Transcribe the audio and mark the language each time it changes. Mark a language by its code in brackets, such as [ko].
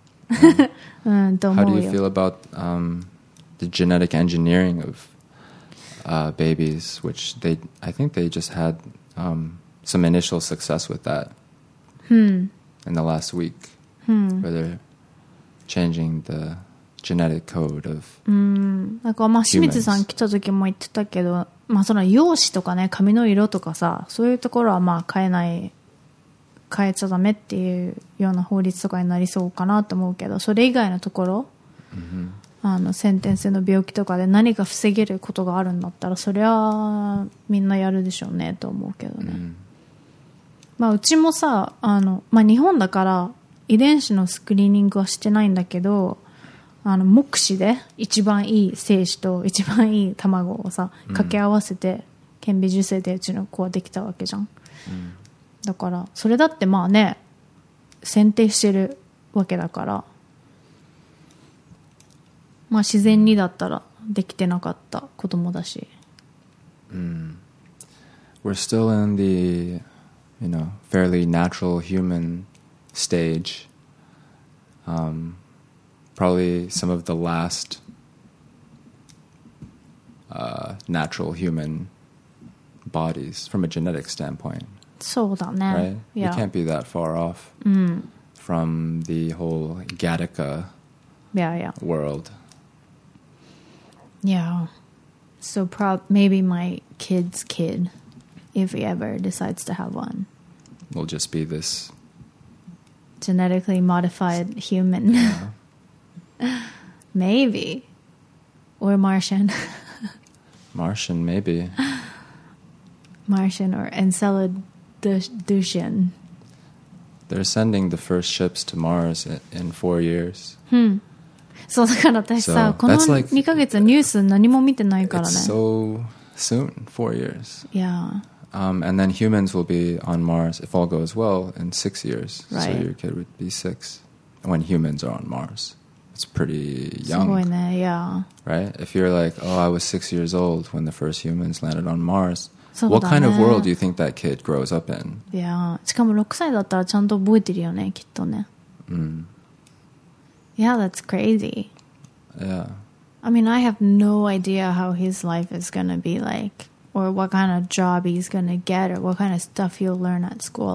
[en] How do you feel about the genetic engineering of babies, which they, I think they just had some initial success with that in the last week, where they're changing the. Genetic code of [ja] なんかまあ清水さん来た時も言ってたけど、まあ、その容姿とかね髪の色とかさそういうところはまあ変えない変えちゃダメっていうような法律とかになりそうかなと思うけどそれ以外のところ、 mm-hmm. あの先天性の病気とかで何か防げることがあるんだったらそれはみんなやるでしょうねと思うけどね、mm-hmm. まあうちもさあの、まあ、日本だから遺伝子のスクリーニングはしてないんだけどあの目視で一番いい精子と一番いい卵をさ掛け合わせて顕微授精でうちの子はできたわけじゃん、うん、だからそれだってまあね選定してるわけだからまあ自然にだったらできてなかった子供だし、 [en] うん、We're still in the you know fairly natural human stage Probably some of the last natural human bodies from a genetic standpoint. [ja] そうだね。 [en] Right? Yeah. We can't be that far off from the whole Gattaca world. Yeah. So maybe my kid's kid, if he ever decides to have one, will just be this genetically modified human. Yeah. Maybe. Or Martian. Martian, maybe. Martian or Enceladusian. They're sending the first ships to Mars in 4 years. [ja] So, だから私さ、この2ヶ月ニュース何も見てないからね。 [en] It's so soon, 4 years. Yeah. And then humans will be on Mars, if all goes well, in 6 years. Right. So your kid would be 6 when humans are on Mars. It's pretty young. [ja] すごいね、yeah. [en] Right? If you're like, oh, I was 6 years old when the first humans landed on Mars. [ja] そうだね。 [en] What kind of world do you think that kid grows up in? Yeah. [ja] しかも6歳だったらちゃんと覚えてるよね、きっとね。 [en] Yeah, that's crazy. Yeah. I mean, I have no idea how his life is going to be like, or what kind of job he's going to get, or what kind of stuff he'll learn at school.